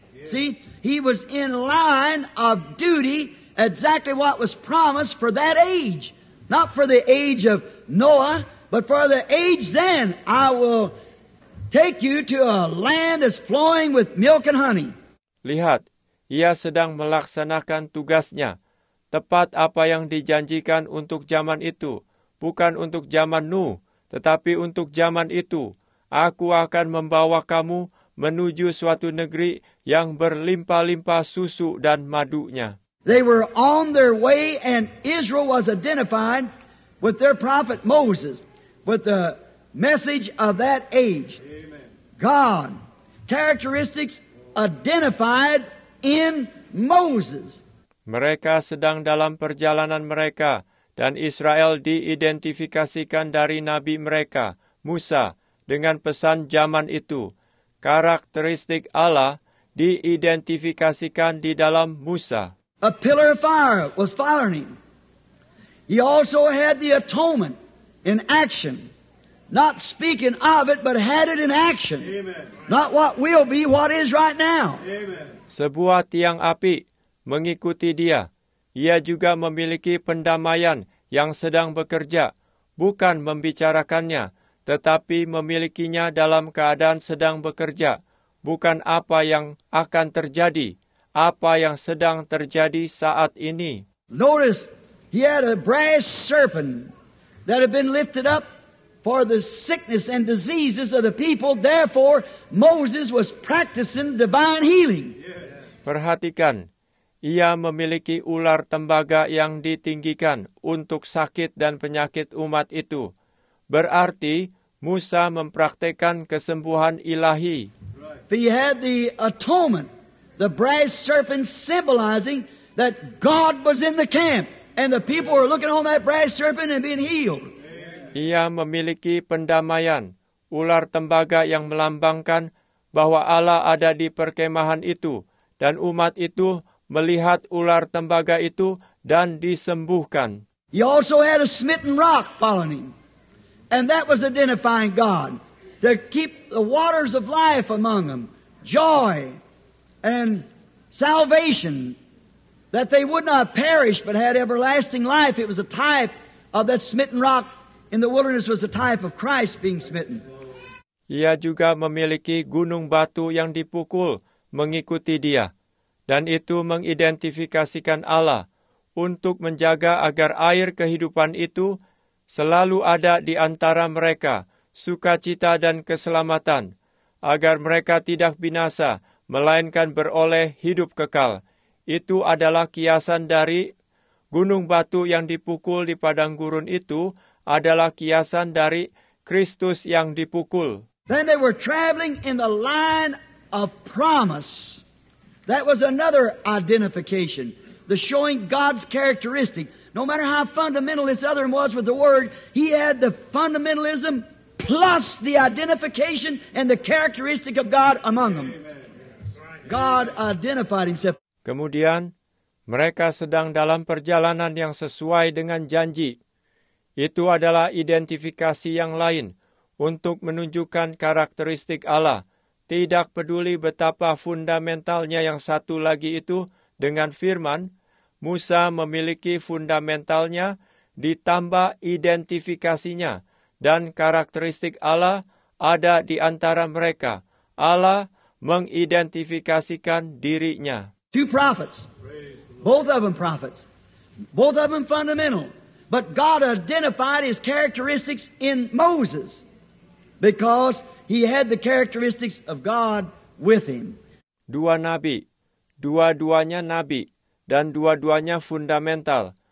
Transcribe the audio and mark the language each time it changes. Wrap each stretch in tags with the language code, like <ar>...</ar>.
<en>See, he was in line of duty. Exactly what was promised for that age. Not for the age of Noah, but for the age then. I will take you to a land that's flowing with milk and honey.</en> <id>Lihat, ia sedang melaksanakan tugasnya. Tepat apa yang dijanjikan untuk zaman itu. Bukan untuk zaman Nuh, tetapi untuk zaman itu. Aku akan membawa kamu menuju suatu negeri yang berlimpah-limpah susu dan madunya.</id> <en>They were on their way and Israel was identified with their prophet Moses with the message of that age. God characteristics identified in Moses.</en> <id>Mereka sedang dalam perjalanan mereka dan Israel diidentifikasikan dari nabi mereka Musa dengan pesan zaman itu. Karakteristik Allah diidentifikasikan di dalam Musa.</id> <en>A pillar of fire was following him. He also had the atonement in action. Not speaking of it, but had it in action. Amen. Not what will be, what is right now. Amen.</en> <id>Sebuah tiang api mengikuti dia. Ia juga memiliki pendamaian yang sedang bekerja. Bukan membicarakannya, tetapi memilikinya dalam keadaan sedang bekerja. Bukan apa yang akan terjadi. Apa yang sedang terjadi saat ini.</id> <en>Notice, he had a brass serpent that had been lifted up for the sickness and diseases of the people. Therefore, Moses was practicing divine healing. Yes.</en> <id>Perhatikan, ia memiliki ular tembaga yang ditinggikan untuk sakit dan penyakit umat itu. Berarti, Musa mempraktikkan kesembuhan ilahi.</id> <en>He had the atonement. The brass serpent symbolizing that God was in the camp and the people were looking on that brass serpent and being healed.</en> <id>Ia memiliki pendamaian, ular tembaga yang melambangkan bahwa Allah ada di perkemahan itu dan umat itu melihat ular tembaga itu dan disembuhkan.</id> <en>He also had a smitten rock following him and that was identifying God to keep the waters of life among them, joy. And salvation, that they would not perish but had everlasting life. It was a type of that smitten rock in the wilderness was a type of Christ being smitten.</en> <id>Ia juga memiliki gunung batu yang dipukul mengikuti dia. Dan itu mengidentifikasikan Allah untuk menjaga agar air kehidupan itu selalu ada di antara mereka, sukacita dan keselamatan, agar mereka tidak binasa, melainkan beroleh hidup kekal. Itu adalah kiasan dari gunung batu yang dipukul di padang gurun itu adalah kiasan dari Kristus yang dipukul.</id> <en>Then they were traveling in the line of promise. That was another identification. The showing God's characteristic. No matter how fundamental this other one was with the word, he had the fundamentalism plus the identification and the characteristic of God among them. God identified himself.</en> <id>Kemudian, mereka sedang dalam perjalanan yang sesuai dengan janji. Itu adalah identifikasi yang lain untuk menunjukkan karakteristik Allah. Tidak peduli betapa fundamentalnya yang satu lagi itu dengan firman, Musa memiliki fundamentalnya ditambah identifikasinya dan karakteristik Allah ada di antara mereka. Allah mengidentifikasikan dirinya.</id> <en>Two prophets. Both of them prophets. Both of them fundamental. But God identified his characteristics in Moses because he had the characteristics of God with him.</en> <id>Dua nabi. Dua-duanya nabi. Dan dua-duanya fundamental.</id>